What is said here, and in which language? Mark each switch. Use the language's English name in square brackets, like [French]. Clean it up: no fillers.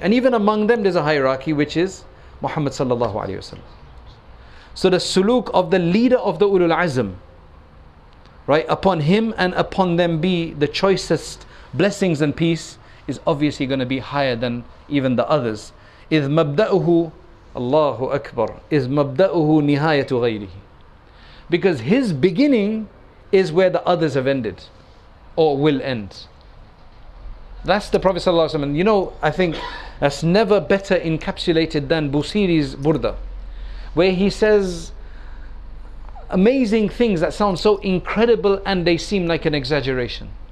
[English] And even among them there's a hierarchy, which is Muhammad sallallahu alayhi wa sallam. So the suluk of the leader of the ulul azm, right, upon him and upon them be the choicest blessings and peace, is obviously going to be higher than even the others. [Arabic] إِذْ مَبْدَأُهُ اللَّهُ أَكْبَرُ إِذْ مَبْدَأُهُ نِهَايَةُ غَيْرِهِ. [English] Because his beginning is where the others have ended or will end. That's the Prophet Sallallahu Alaihi Wasallam. You know, I think that's never better encapsulated than Busiri's Burda, where he says amazing things that sound so incredible and they seem like an exaggeration.